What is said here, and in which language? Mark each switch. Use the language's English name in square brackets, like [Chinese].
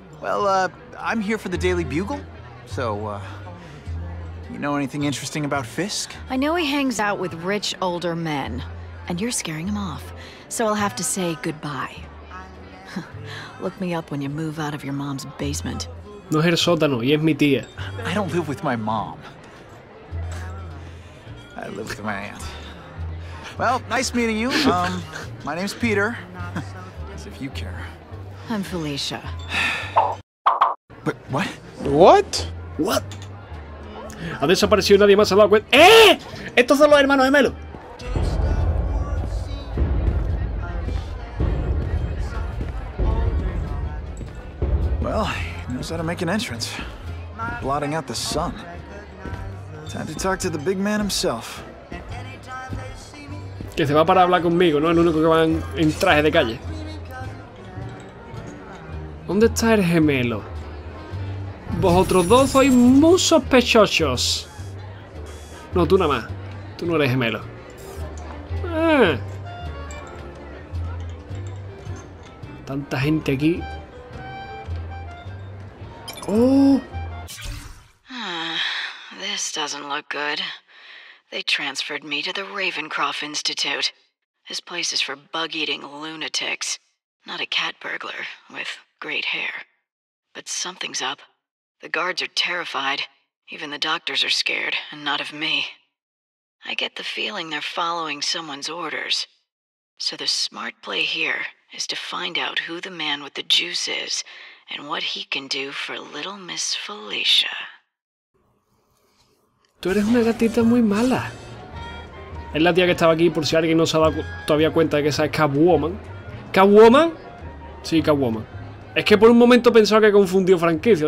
[English] I'm here for the Daily Bugle. So, you know anything interesting about Fisk? I know he hangs out with rich older men, and you're scaring him off. So I'll have to say goodbye. Look me up when you move out of your mom's basement. [Spanish] No es el sótano, y es mi tía. [English] I don't live with my mom. I live with my aunt. Well, nice meeting you. My name's Peter. As if you care. I'm Felicia. But what? What? What? [Spanish] Ha desaparecido y nadie más se ha dado cuenta. Estos son los hermanos gemelos. [English] Well, he knows how to make an entrance. Blotting out the sun. Time to talk to the big man himself. [Spanish] Que se va para hablar conmigo, ¿no? El único que va en traje de calle. ¿Dónde está el gemelo? Vosotros dos sois muy sospechosos. No, tú nada más. Tú no eres gemelo. Está tanta gente aquí. Oh. [English] This doesn't look good. They transferred me to the Ravencroft Institute. This place is for bug-eating lunatics, not a cat burglar with great hair. But something's up. The guards are terrified. Even the doctors are scared, and not of me. I get the feeling they're following someone's orders. So the smart play here is to find out who the man with the juice is and what he can do for little Miss Felicia. [Spanish] Tú eres una gatita muy mala. Es la tía que estaba aquí, por si alguien no se ha dado todavía cuenta de que esa es Catwoman. ¿Catwoman? Sí, Catwoman. Es que por un momento pensaba que confundió franquicia.